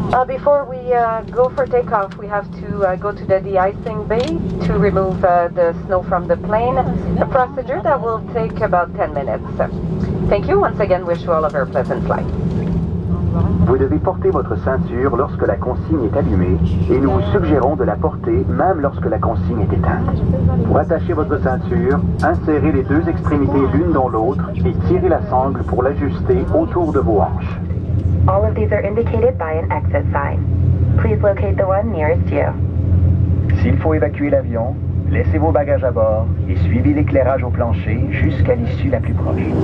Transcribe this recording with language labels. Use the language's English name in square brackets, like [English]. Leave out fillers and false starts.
[English] Before we go for takeoff, we have to go to the de-icing bay to remove the snow from the plane, a procedure that will take about 10 minutes. Thank you. Once again, wish you all a very pleasant flight. [French] Vous devez porter votre ceinture lorsque la consigne est allumée et nous vous suggérons de la porter même lorsque la consigne est éteinte. Pour attacher votre ceinture, insérez les deux extrémités l'une dans l'autre et tirez la sangle pour l'ajuster autour de vos hanches. [English] All of these are indicated by an exit sign. Please locate the one nearest you. [French] S'il faut évacuer l'avion, laissez vos bagages à bord et suivez l'éclairage au plancher jusqu'à l'issue la plus proche.